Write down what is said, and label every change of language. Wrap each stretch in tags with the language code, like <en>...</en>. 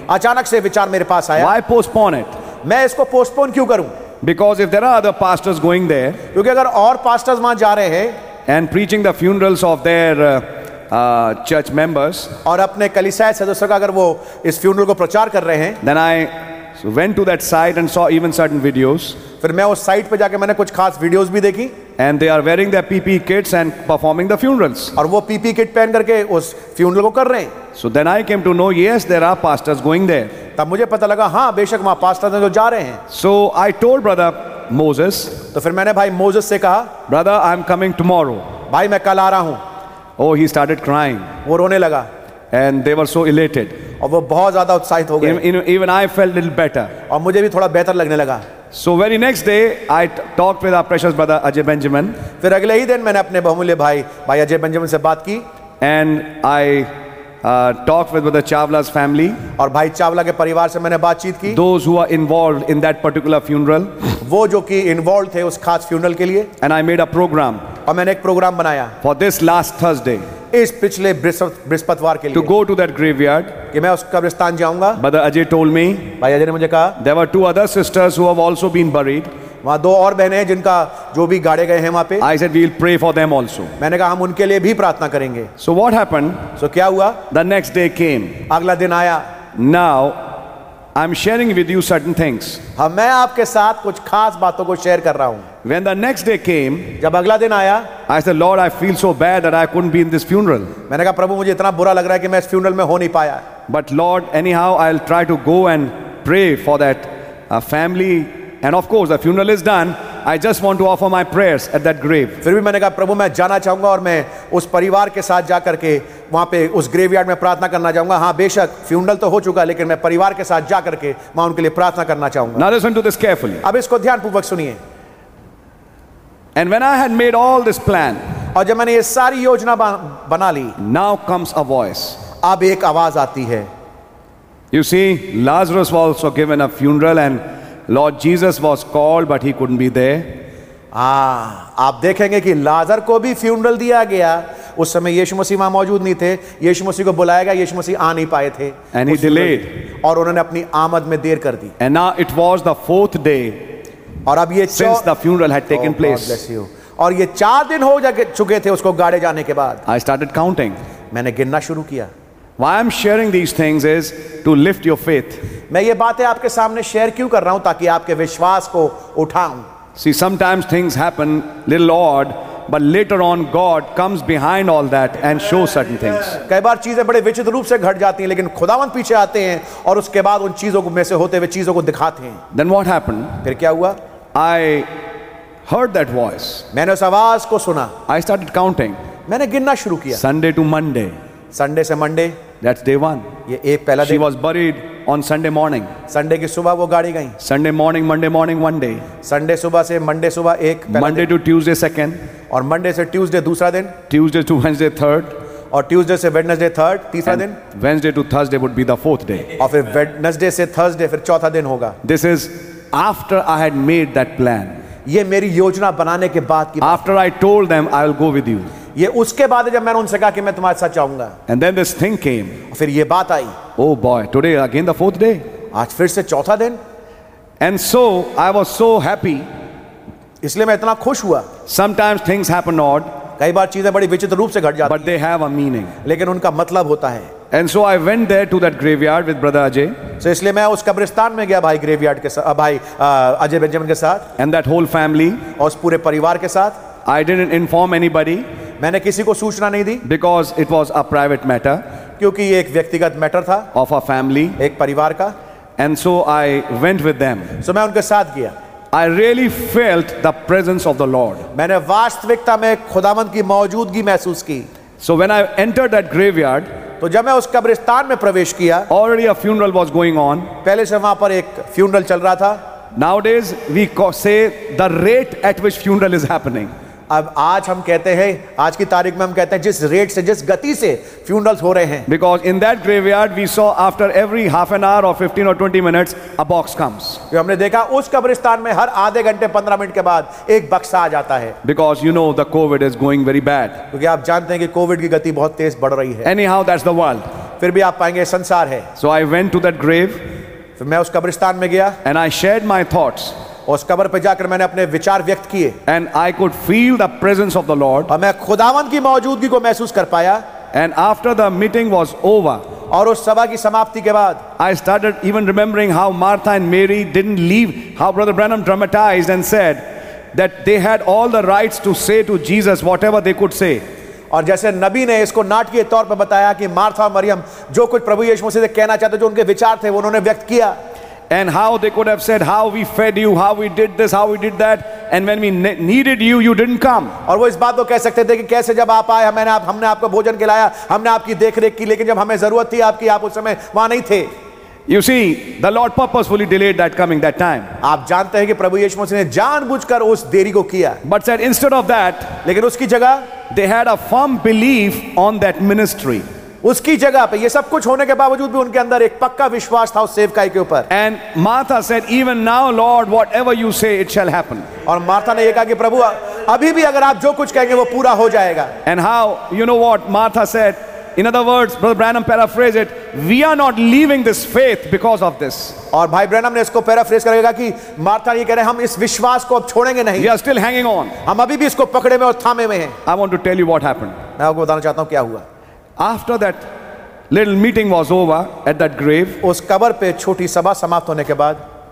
<hi>अचानक से विचार मेरे पास आया.</hi> <en>Why postpone it?</en> <hi>मैं इसको पोस्टपोन क्यों करूं?</hi> <en>Because if there are other pastors going there,</en> <hi>क्योंकि अगर और पास्टर्स वहां जा रहे हैं,</hi> <en>and preaching the funerals of their church members,</en> <hi>और अपने कलीसिया सदस्यों का अगर वो इस फ्यूनरल को प्रचार कर रहे हैं,</hi> <en>then I went to that site and saw even certain videos.</en> <hi>फिर मैं उस साइट पे जाके मैंने कुछ खास वीडियोस भी देखी.</hi> <en>And they are wearing their PPE kits and performing the funerals.</en> <hi>और वो PPE kit पहन करके उस funeral को कर रहे हैं.</hi> <en>So then I came to know, yes, there are pastors going there.</en> <hi>तब मुझे पता लगा हाँ बेशक वहाँ पास्टर्स हैं जो जा रहे हैं.</hi> <en>So I told brother Moses.</en> <hi>तो फिर मैंने भाई मोसेस से कहा.</hi> <en>Brother, I am coming tomorrow.</en> <hi>भाई मैं कल आ रहा हूँ.</hi> <en>Oh, he started crying.</en> <hi>वो रोने लगा.</hi> <en>And they were so elated.</en> <hi>और वो बहुत ज़्यादा उत्साहित हो गए.</hi> <en>Even I felt a little better.</en> <hi>और मुझे भी थोड़ा बेहतर लगने लगा.</hi> <en>So very next day, I talked with our precious brother Ajay Benjamin.</en> <hi>फिर अगले ही दिन मैंने अपने बहुमूल्य भाई अजय बेंजामिन से बात की.</hi> <en>And I talked with brother Chawla's family.</en> <hi>और भाई चावला के परिवार से मैंने बातचीत की.</hi> <en>Those who are involved in that particular funeral.</en> <hi>वो जो कि involved थे उस खास funeral के लिए.</hi> <en>And I made a program.</en> <hi>और मैंने एक प्रोग्राम बनाया.</hi> <en>For this last Thursday.</en> <hi>इस पिछले बृहस्पतिवार के लिए</hi> <en>to go to that graveyard,</en> <hi>कि मैं उस कब्रिस्तान जाऊंगा.</hi> <en>Brother Ajay told me,</en> <hi>भाई अजय ने मुझे कहा,</hi> <en>there were two other sisters who have also been buried.</en> <hi>वहाँ दो और बहनें हैं जिनका जो भी गाड़े गए हैं वहाँ पे.</hi> <en>I said we'll pray for them also.</en> <hi>मैंने कहा हम उनके लिए भी प्रार्थना करेंगे.</hi> <en>So what happened?</en> <hi>So क्या हुआ?</hi> <en>The next day came.</en> <hi>अगला दिन आया.</hi> <en>Now I'm sharing with you certain things.</en> <hi>हाँ मैं आपके साथ कुछ खास बातों को शेयर कर रहा हूँ.</hi> <en>When the next day came,</en> <hi>जब अगला दिन आया,</hi> <en>I said, Lord, I feel so bad that I couldn't be in this funeral.</en> <hi>मैंने कहा प्रभु मुझे इतना बुरा लग रहा है कि मैं इस funeral में हो नहीं पाया.</hi> <en>But Lord, anyhow, I'll try to go and pray for that family. And of course, the funeral is done. I just want to offer my prayers at that grave.</en> <hi>फिर भी मैंने कहा प्रभु मैं जाना चाहूँगा और मैं उस परिवार के साथ जा करके वहाँ पे उस graveyard में प्रार्थना करना चाहूँगा. हाँ बेशक funeral तो हो चुका लेकिन मैं परिवार के साथ जा करके मैं उनके लिए प्रार्थना करना चाहूँगा.</hi> <en>Now listen to this carefully.</en> <hi>अब इसको ध्यानपूर्वक सुनिए.</hi> <en>And when I had made all this plan,</en> <hi>और जब मैंने ये सारी योजना बना ली,</hi> <en>now comes a voice.</en> <hi>अब एक आवाज आती है.</hi> <en>You see, Lazarus was also given a funeral and Lord Jesus was called, but he couldn't be there.</en> <hi>आप देखेंगे कि लाजर को भी funeral दिया गया. उस समय यीशु मसीह वहां मौजूद नहीं थे. यीशु मसीह को बुलाया गया, यीशु मसीह आ नहीं पाए थे.</hi> <en>And he delayed.</en> <hi>और उन्होंने अपनी आमद में देर कर दी.</hi> <en>And now it was the fourth day.</en> <hi>और अब ये</hi> <en>since the funeral had taken place. God bless you.</en> <hi>और ये चार दिन हो चुके थे उसको गाड़े जाने के बाद.</hi> <en>I started counting.</en> <hi>मैंने गिनना शुरू किया.</hi> <en>Why I'm sharing these things is to lift your faith.</en> <hi>मैं ये बातें आपके सामने शेयर क्यों कर रहा हूं ताकि आपके विश्वास को उठाऊं.</hi> <en>See, sometimes things happen little odd, but later on God comes behind all that and shows certain things.</en> <hi>कई बार चीजें बड़े विचित्र रूप से घट जाती हैं लेकिन खुदावंत पीछे आते हैं और उसके बाद उन चीजों को में से होते हुए चीजों को दिखाते हैं.</hi> <en>Then what happened?</en> <hi>फिर क्या हुआ?</hi> <en>I heard that voice.</en> <hi>मैंने उस आवाज को सुना.</hi> <en>I started counting.</en> <hi>मैंने गिनना शुरू किया.</hi> <en>Sunday to Monday.</en> <hi>संडे से मंडे.</hi> <en>That's day one.</en> <hi>ये एक पहला दिन.</hi> <en>She was buried on Sunday morning.</en> <hi>Sunday की सुबह वो गाड़ी गई.</hi> <en>Sunday morning, Monday morning, one day.</en> <hi>Sunday सुबह से मंडे सुबह एक.</hi> <en>Monday to Tuesday, second.</en> <hi>और मंडे से ट्यूसडे दूसरा दिन.</hi> <en>Tuesday to Wednesday, third.</en> <hi>और ट्यूसडे से वेडनेसडे थर्ड तीसरा दिन.</hi> <en>Wednesday to Thursday would be the fourth day.</en> <hi>और फिर वेडनेसडे से थर्सडे फिर चौथा दिन होगा.</hi> <en>This is after I had made that plan.</en> <hi>ये मेरी योजना बनाने के बाद की.</hi> <en>After I told them I will go with you.</en> <hi>ये उसके बाद जब मैंने उनसे कहा कि मैं तुम्हारे साथ जाऊंगा.</hi> <en>And then this thing came.</en> <hi>फिर ये बात आई.</hi> <en>Oh boy, today again the fourth day.</en> <hi>आज फिर से चौथा दिन.</hi> <en>And so I was so happy.</en> <hi>इसलिए मैं इतना खुश हुआ.</hi> <en>Sometimes things happen odd.</en> <hi>कई बार चीजें बड़ी विचित्र रूप से घट जाती हैं.</hi> <en>But they have a meaning.</en> <hi>लेकिन उनका मतलब होता है.</hi> <en>And so I went there to that graveyard with brother Ajay.</en> <hi>So इसलिए मैं उस कब्रिस्तान में गया भाई graveyard के साथ भाई अजय बेंजामिन के साथ.</hi> <en>And that whole family.</en> <hi>और उस पूरे परिवार के साथ.</hi> <en>I didn't inform anybody.</en> <hi>मैंने किसी को सूचना नहीं दी.</hi> <en>Because it was a private matter.</en> <hi>क्योंकि ये एक व्यक्तिगत मैटर था.</hi> <en>Of a family.</en> <hi>एक परिवार का.</hi> <en>And so I went with them.</en> <hi>So मैं उनके साथ गया.</hi> <en>I really felt the presence of the Lord.</en> <hi>मैंने वास्तविकता में खुदावंत की मौजूदगी महसूस की.</hi> <en>So when I entered that graveyard.</en> <hi>तो जब मैं उस कब्रिस्तान में प्रवेश किया.</hi> <en>Already a funeral was going on.</en> <hi>पहले से वहां पर एक funeral चल रहा था.</hi> <en>Nowadays we say the rate at which funeral is happening.</en> <hi>अब आज हम कहते हैं, आज की तारीख में हम कहते हैं जिस रेट से, जिस गति से फ्यूनरल्स हो रहे हैं.</hi> <en>Because in that graveyard we saw after every half an hour or 15 or 20 minutes a box comes.</en> <hi>जो हमने देखा उस कब्रिस्तान में हर आधे घंटे 15 मिनट के बाद एक बक्सा आ जाता है.</hi> <en>Because you know the COVID is going very bad.</en> <hi>क्योंकि आप जानते हैं कि कोविड की गति बहुत तेज बढ़ रही है.</hi> <en>Anyhow that's the world.</en> <hi>फिर भी आप पाएंगे संसार है.</hi> <en>So I went to that grave.</en> <hi>फिर मैं उस कब्रिस्तान में गया.</hi> <en>And I shared my thoughts.</en> <hi>उस कब्र पे जाकर मैंने अपने विचार व्यक्त किए.</hi> <en>And I could feel the presence of the Lord.</en> <hi>और मैं खुदावन की मौजूदगी को महसूस कर पाया.</hi> <en>And after the meeting was over.</en> <hi>और उस सभा की समाप्ति के बाद.</hi> <en>I started even remembering how Martha and Mary didn't leave. How Brother Branham dramatized and said that they had all the rights to say to Jesus whatever they could say.</en> <hi>और जैसे नबी ने इसको नाटकीय तौर पर बताया कि मार्था और मरियम जो कुछ प्रभु यीशु मसीह से कहना चाहते, जो उनके विचार थे, वो उन्होंने व्यक्त किया.</hi> <en>And how they could have said how we fed you, how we did this, how we did that, and when we needed you, you didn't come.</en> <hi>और वो इस बात को कह सकते थे कि कैसे जब आप आए, हमने आप हमने आपको भोजन खिलाया, हमने आपकी देखरेख की, लेकिन जब हमें जरूरत थी आपकी, आप उस समय वहाँ नहीं थे.</hi> <en>You see, the Lord purposefully delayed that coming that time.</en> <hi>आप जानते हैं कि प्रभु यीशु मसीह ने जानबूझकर उस देरी को किया.</hi> <en>But said instead of that,</en> <hi>लेकिन उसकी जगह,</hi> <en>they had a firm belief on that ministry.</en> <hi>उसकी जगह पे ये सब कुछ होने के बावजूद भी उनके अंदर एक पक्का विश्वास था उस सेवकाई के ऊपर.</hi> <en>And Martha said, even now, Lord, whatever you say, it shall happen.</en> <hi>और मार्था ने ये कहा कि प्रभु अभी भी अगर आप जो कुछ कहेंगे वो पूरा हो जाएगा.</hi> <en>And how, you know what Martha said? In other words, Brother Branham paraphrased it, we are not leaving this faith because of this.</en> <hi>और भाई ब्रैनम ने इसको पैराफ्रेज करेगा कि मार्था ये कह रहे हैं हम इस विश्वास को अब छोड़ेंगे नहीं.</hi> <en>We are still hanging on.</en> <hi>हम अभी भी इसको पकड़े में और थामे में हैं.</hi> <en>I want to tell you what happened.</en> <hi>मैं आपको बताना चाहता हूं क्या हुआ.</hi> <en>After that little meeting was over at that grave,</en> <hi>उस कब्र पे छोटी सभा समाप्त होने के बाद,</hi>